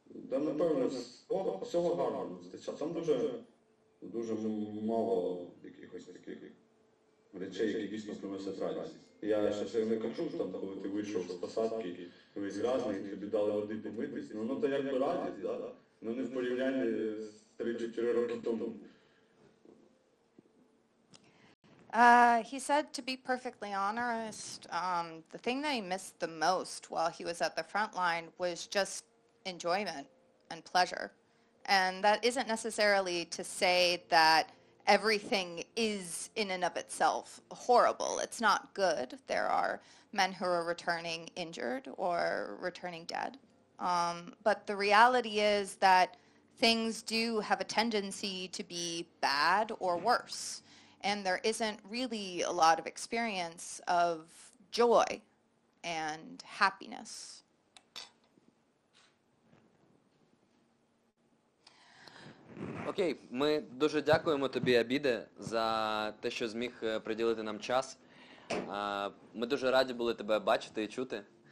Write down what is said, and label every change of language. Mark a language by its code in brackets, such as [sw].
[uk] Там, напевно, всього гарного. Там дуже мало якихось таких речей, які дійсно приносять радість. Я ще все не кажу, там, коли ти вийшов з посадки, весь грязний, тобі дали води помитись. Ну, то якби радість, да? Ну, не в порівнянні з 3-4 роки тому. [en] He said, to be perfectly honest, the thing that he missed the most while he was at the front line was just enjoyment and pleasure. And that isn't necessarily to say that everything is in and of itself horrible. It's not good. There are men who are returning injured or returning dead. But the reality is that things do have a tendency to be bad or worse. And there isn't really a lot of experience of joy and happiness. [uk] Окей, ми дуже дякуємо тобі, Абіде, за те, що зміг приділити нам час. Ми дуже раді були тебе бачити і чути.